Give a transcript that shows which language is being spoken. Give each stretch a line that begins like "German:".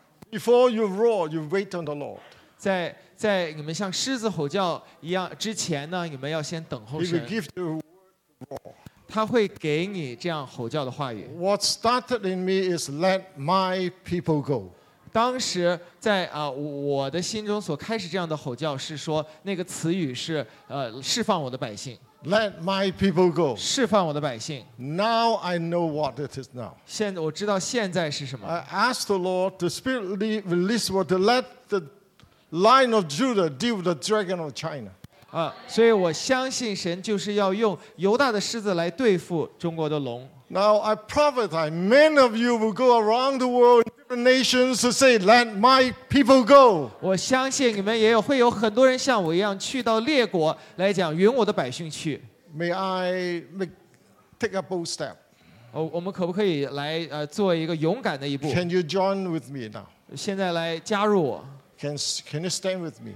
English: Before you roar, you wait on the Lord.
Chinese: 在你们像狮子吼叫一样之前呢，你们要先等候神。
English: He will give you a word to roar.
Chinese: 他会给你这样吼叫的话语。
English: What started in me is let my people go.
Chinese: 当时在我的心中所开始这样的吼叫是说，那个词语是释放我的百姓。
English: Let my people go.
Chinese: 释放我的百姓。
English: Now I know what it is now.
Chinese: 现在我知道现在是什么。
English: I ask the Lord to spiritually release what to let the line of Judah deal with the dragon of China.
Chinese: 所以我相信神就是要用犹大的狮子来对付中国的龙。
English: Now I prophesy, many of you will go around the world in different nations to say, "Let my people go."
Chinese: 我相信你们也会有很多人像我一样去到列国来讲，允我的百姓去。
English: May I take a bold step?
Chinese: 我们可不可以来做一个勇敢的一步？
English: Can you join with me now?
Chinese: 现在来加入我。
English: Can you stand with me?